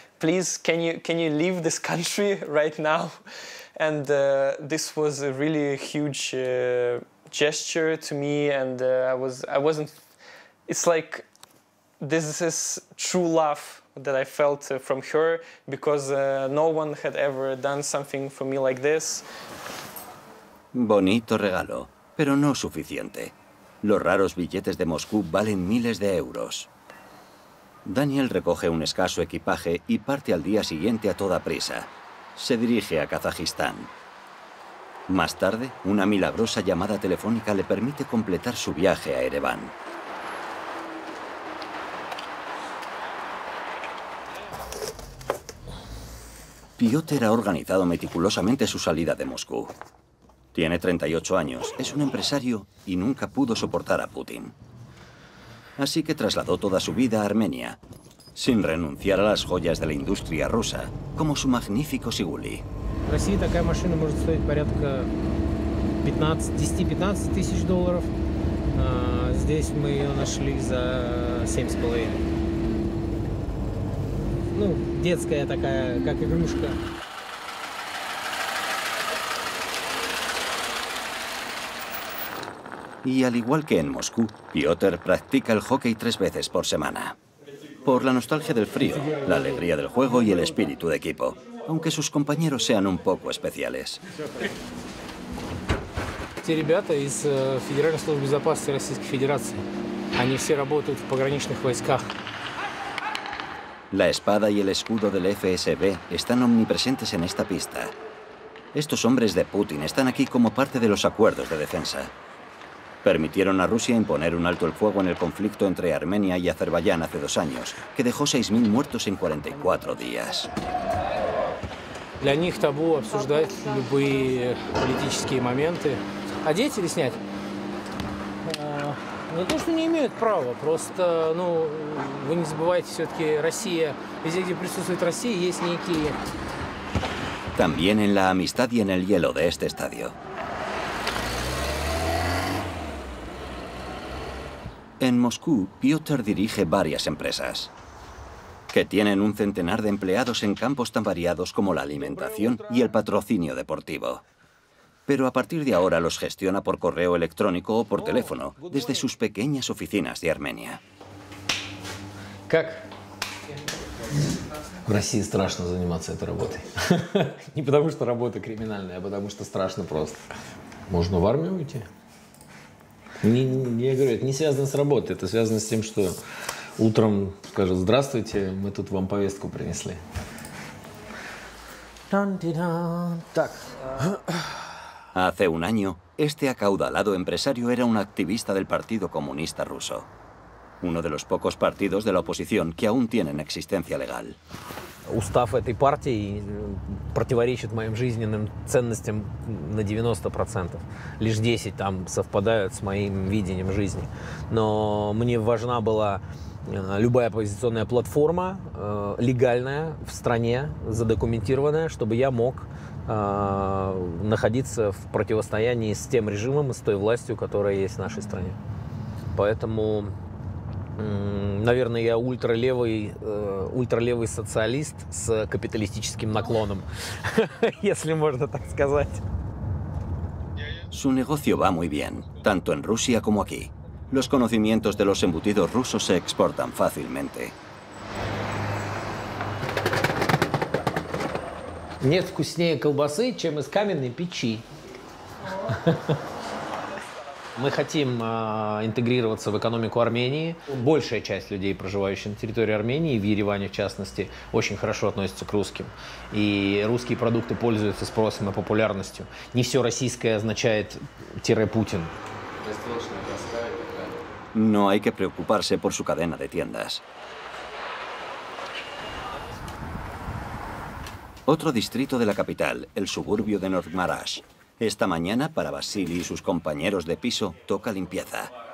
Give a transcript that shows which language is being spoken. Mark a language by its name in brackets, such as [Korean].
[English] Please, can you leave this country right now?" And this was a really huge gesture to me, and I wasn't. It's like this is true love that I felt from her, because no one had ever done something for me like this. [Spanish] Bonito regalo, pero no suficiente. Los raros billetes de Moscú valen miles de euros. Daniel recoge un escaso equipaje y parte al día siguiente a toda prisa. Se dirige a Kazajistán. Más tarde, una milagrosa llamada telefónica le permite completar su viaje a Ereván. Piotr ha organizado meticulosamente su salida de Moscú. Tiene 38 años, es un empresario y nunca pudo soportar a Putin. Así que trasladó toda su vida a Armenia, sin renunciar a las joyas de la industria rusa, como su magnífico Жигули. [Russian] В России такая машина может стоить порядка 10-15 тысяч долларов. Здесь мы ее нашли за 7,5. Ну, детская такая, как игрушка. [Spanish] Y al igual que en Moscú, Piotr practica el hockey tres veces por semana. Por la nostalgia del frío, la alegría del juego y el espíritu de equipo. Aunque sus compañeros sean un poco especiales. [Russian] Те ребята из Федеральной службы безопасности Российской Федерации. Они все работают в пограничных войсках. [Spanish] La espada y el escudo del FSB están omnipresentes en esta pista. Estos hombres de Putin están aquí como parte de los acuerdos de defensa. Permitieron a Rusia imponer un alto el fuego en el conflicto entre Armenia y Azerbaiyán hace dos años, que dejó 6.000 muertos en 44 días. [Russian] Для них табу обсуждать любые политические моменты. Одеть или снять? Ну то, что не имеют права. Просто, ну, вы не забывайте, все-таки Россия, везде, где присутствует Россия, есть некие. [Spanish] También en la amistad y en el hielo de este estadio. En Moscú, Piotr dirige varias empresas, que tienen un centenar de empleados en campos tan variados como la alimentación y el patrocinio deportivo. Pero a partir de ahora los gestiona por correo electrónico o por teléfono, desde sus pequeñas oficinas de Armenia. [Russian] В России страшно заниматься этой работой. Не потому что работа криминальная, а потому что страшно просто. Можно в армию уйти? Я говорю, это не связано с работой, это связано с тем, что утром скажут: «Здравствуйте, мы тут вам повестку принесли». Так. [Spanish] Hace un año, este acaudalado empresario era un activista del Partido Comunista Ruso. Uno de los pocos partidos de la oposición que aún tienen existencia legal. [Russian] Устав этой партии противоречит моим жизненным ценностям на 90%. Лишь 10 там совпадают с моим видением жизни. Но мне важна была любая оппозиционная платформа, легальная в стране, задокументированная, чтобы я мог находиться в противостоянии с тем режимом и с той властью, которая есть в нашей стране. Поэтому, наверное, я ультралевый социалист с капиталистическим наклоном, если можно так сказать. [Spanish] Su negocio va muy bien, tanto en Rusia como aquí. Los conocimientos de los embutidos rusos se exportan fácilmente. [Russian] Нет вкуснее колбасы, чем из каменной печи. Мы хотим интегрироваться в экономику Армении. Большая часть людей, проживающих на территории Армении, в Ереване в частности, очень хорошо относятся к русским. И русские продукты пользуются спросом и популярностью. Не все российское означает тире Путин. [Spanish] No hay que preocuparse por su cadena de tiendas. Otro distrito de la capital, el suburbio de Nordmarash. Esta mañana, para Vasily y sus compañeros de piso, toca limpieza.